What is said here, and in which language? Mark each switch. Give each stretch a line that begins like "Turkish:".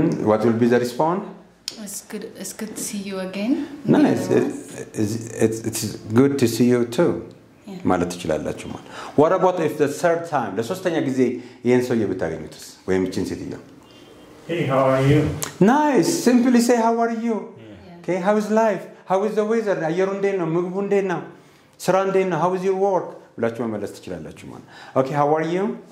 English: What will be the response? It's good to see you again. Nice. It's good to see you too.
Amharic: ማለት ይችላልላችሁ ማለት
English: what about if the third time
Amharic: ለሶስተኛ ጊዜ ይሄን ሰው የብታገኙትስ ወይም እቺን ሴት ይያ
English: hey how are you nice simply say how are you okay how is life how is the weather
Amharic: አየሩ እንዴት ነው ምግቡ እንዴት ነው ስራ እንዴት ነው
English: how is your work
Amharic: ብላችሁ መመለስ ትችላልላችሁ ማለት
English: okay how are you